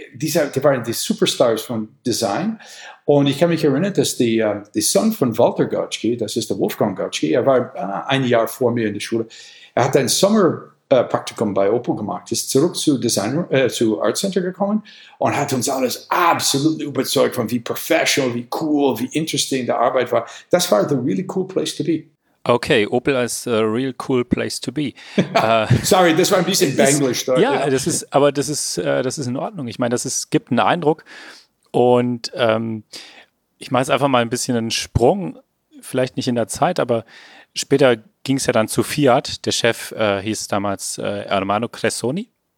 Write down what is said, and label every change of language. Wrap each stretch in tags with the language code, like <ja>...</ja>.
<de>Die waren die Superstars von Design. Und ich kann mich erinnern, dass der Sohn von Walter Gottschke, das ist der Wolfgang Gottschke, er war ein Jahr vor mir in der Schule, er hat einen Sommer Praktikum bei Opel gemacht, ist zurück zu Art Center gekommen und hat uns alles absolut überzeugt von wie professional, wie cool, wie interesting die Arbeit war. Das war</de> <en>the really cool place to be. Okay, Opel is a real cool place to be.</en> <de>Sorry, das war ein bisschen Banglish. Das ist in Ordnung. Ich meine, es gibt einen Eindruck und ich mache jetzt einfach mal ein bisschen einen Sprung, vielleicht nicht in der Zeit, aber später ging es ja dann zu Fiat. Der Chef hieß damals Ermanno Cressoni.</de>